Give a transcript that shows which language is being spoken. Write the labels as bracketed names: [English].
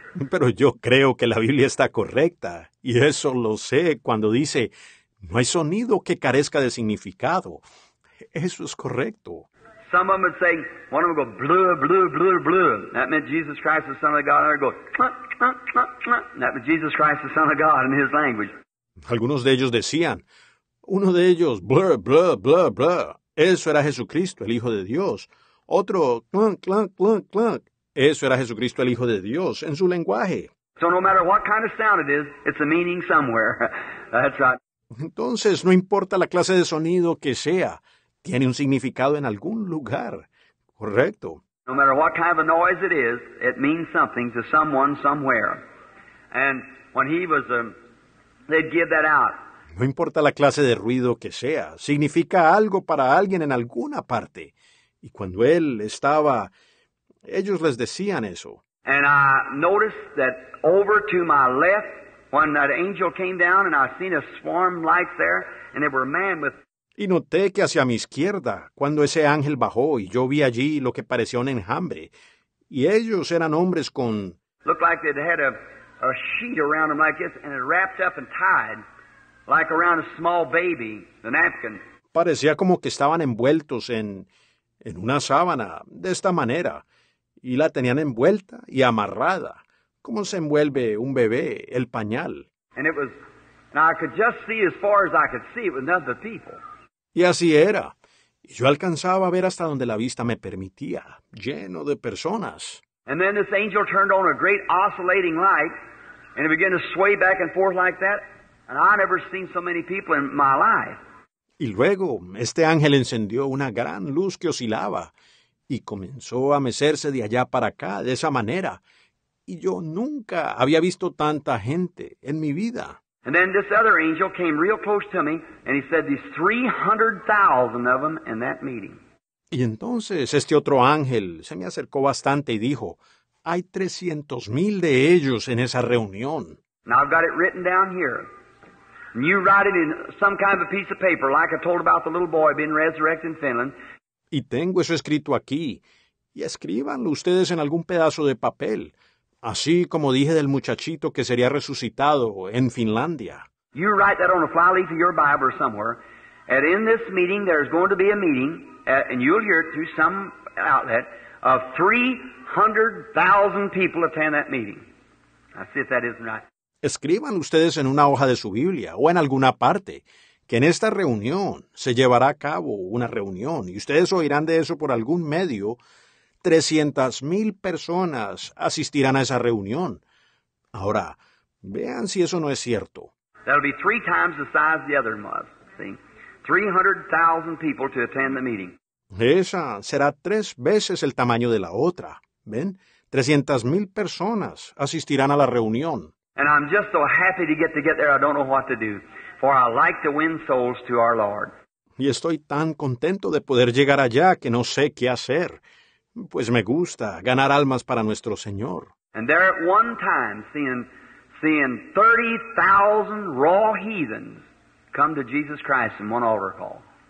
[Spanish] Pero yo creo que la Biblia está correcta, y eso lo sé cuando dice, no hay sonido que carezca de significado. Eso es correcto. [English] Some of them would say, one of them would go, blue, blue, blue, blue. That meant Jesus Christ, the Son of God. And they'd go, clunk, clunk, clunk, clunk. That meant Jesus Christ, the Son of God, in his language. [Spanish] Algunos de ellos decían, uno de ellos, blur, blur, blur, blur. Eso era Jesucristo, el Hijo de Dios. Otro, clunk, clunk, clunk, clunk. Eso era Jesucristo, el Hijo de Dios, en su lenguaje. [English] So no matter what kind of sound it is, it's a meaning somewhere. That's right. [Spanish] Entonces, no importa la clase de sonido que sea, tiene un significado en algún lugar. Correcto. [English] No matter what kind of a noise it is, it means something to someone somewhere. And when he was, they'd give that out. [Spanish] No importa la clase de ruido que sea, significa algo para alguien en alguna parte. Y cuando él estaba, ellos les decían eso. [English] And I noticed that over to my left, when that angel came down and I seen a swarm like there, and there were men with... [Spanish] Y noté que hacia mi izquierda, cuando ese ángel bajó y yo vi allí lo que parecía un enjambre, y ellos eran hombres con... [English] Looked like they'd had a sheet around them like this, and it wrapped up and tied, like around a small baby, the napkin. [Spanish] Parecía como que estaban envueltos en una sábana, de esta manera, y la tenían envuelta y amarrada, como se envuelve un bebé, el pañal. [English] And it was, and I could just see as far as I could see, it was none of the people. [Spanish] Y así era. Y yo alcanzaba a ver hasta donde la vista me permitía, lleno de personas. [English] And then this angel turned on a great oscillating light, and it began to sway back and forth like that, and I never seen so many people in my life. [Spanish] Y luego, este ángel encendió una gran luz que oscilaba, y comenzó a mecerse de allá para acá, de esa manera. Y yo nunca había visto tanta gente en mi vida. [English] And then this other angel came real close to me, and he said, there's 300,000 of them in that meeting. [Spanish] Y entonces este otro ángel se me acercó bastante y dijo, hay 300,000 de ellos en esa reunión. [English] Now I've got it written down here. And you write it in some kind of a piece of paper, like I told about the little boy being resurrected in Finland. [Spanish] Y tengo eso escrito aquí. Y escríbanlo ustedes en algún pedazo de papel. Así como dije del muchachito que sería resucitado en Finlandia. [English] You write that on a flyleaf of your Bible or somewhere. And in this meeting, there's going to be a meeting, and you'll hear it through some outlet, of 300,000 people attend that meeting. I see if that isn't right. [Spanish] Escriban ustedes en una hoja de su Biblia o en alguna parte que en esta reunión se llevará a cabo una reunión y ustedes oirán de eso por algún medio. 300,000 personas asistirán a esa reunión. Ahora, vean si eso no es cierto. [English] That'll be three times the size the other one was, see? 300,000 people to attend the meeting. [Spanish] Esa será tres veces el tamaño de la otra. ¿Ven? 300,000 personas asistirán a la reunión. And I'm just so happy to get there, I don't know what to do, for I like to win souls to our Lord. Y estoy tan contento de poder llegar allá que no sé qué hacer. Pues me gusta ganar almas para nuestro Señor. [English] And there at one time seeing 30,000 raw heathens come to Jesus Christ in one altar call.